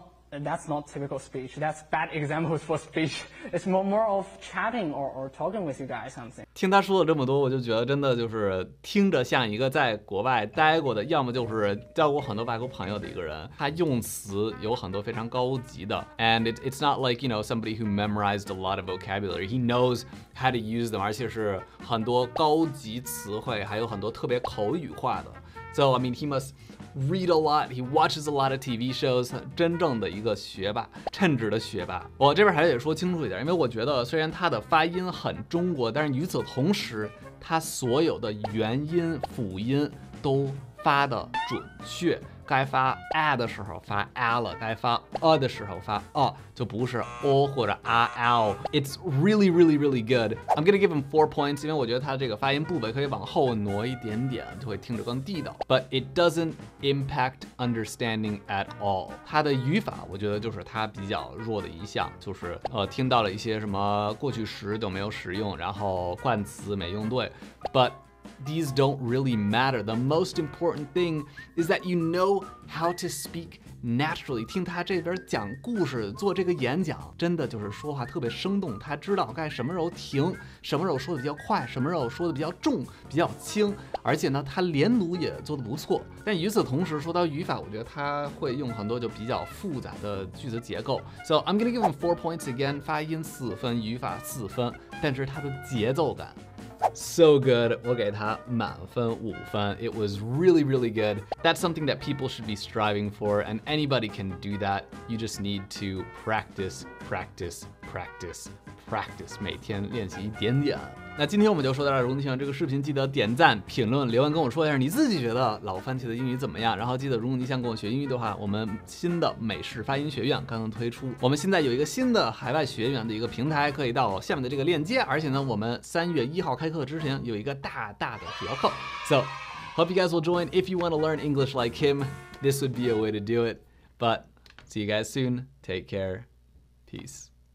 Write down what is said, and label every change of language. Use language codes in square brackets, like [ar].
[en] And that's not typical speech. That's bad examples for speech. It's more of chatting or talking with you guys something. [zh] 听他说了这么多，我就觉得真的就是听着像一个在国外待过的，要么就是交过很多外国朋友的一个人。他用词有很多非常高级的。 [en] And it's not like, you know, somebody who memorized a lot of vocabulary. He knows how to use them. [zh] 而且是很多高级词汇，还有很多特别口语化的。 [en] So, I mean, he must read a lot, he watches a lot of TV shows, [zh] 真正的一个学霸，称职的学霸。我这边还得说清楚一点，因为我觉得虽然他的发音很中国，但是与此同时，他所有的元音、辅音都发的准确，该发 a 的时候发 a 了，该发 a 的时候发 a， 就不是 o 或者 a l。 [en] It's really really really good. I'm gonna give him 4 points, [zh] 因为我觉得他这个发音部位可以往后挪一点点，就会听着更地道。 [en] But it doesn't impact understanding at all. [zh] 他的语法我觉得就是他比较弱的一项，就是听到了一些什么过去时都没有使用，然后冠词没用对。 [en] ButThese don't really matter. The most important thing is that you know how to speak naturally. [zh] 听他这边讲故事，做这个演讲，真的就是说话特别生动。他知道该什么时候停，什么时候说的比较快，什么时候说的比较重、比较轻。而且呢，他连读也做得不错。但与此同时，说到语法，我觉得他会用很多就比较复杂的句子结构。 [en] So I'm gonna give him 4 points again. [zh] 发音4分，语法4分，但是他的节奏感。 [en] So good, [zh] 我给他满分5分。 [en] It was really, really good. That's something that people should be striving for, and anybody can do that. You just need to practice, practice, practice, practice. [zh] 每天练习一点点。那今天我们就说到这儿，如果你喜欢这个视频，记得点赞、评论、留言，跟我说一下你自己觉得老番茄的英语怎么样。然后记得，如果你想跟我学英语的话，我们新的美式发音学院刚刚推出，我们现在有一个新的海外学员的一个平台，可以到下面的这个链接。而且呢，我们3月1号开课之前有一个大大的折扣。 [en] So, hope you guys will join. If you want to learn English like him, this would be a way to do it. But see you guys soon. Take care. Peace.